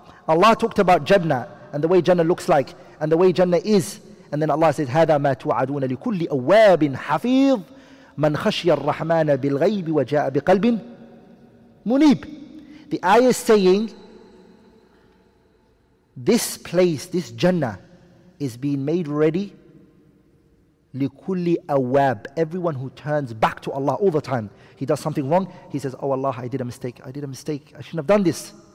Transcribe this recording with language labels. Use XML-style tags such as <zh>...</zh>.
<en>Allah talked about Jannah and the way Jannah looks like and the way Jannah is. And then Allah says,</en> <ar>هذا ما توعدون لكل أواب حفظ. من خشي الرحمن بالغيب وجاء بقلب منيب.</ar> <en>The ayah is saying, this place, this Jannah, is being made ready</en> <ar>لِكُلِّ أَوَّابٍ.</ar> <en>Everyone who turns back to Allah all the time, he does something wrong, he says, oh Allah, I did a mistake, I shouldn't have done this.</en>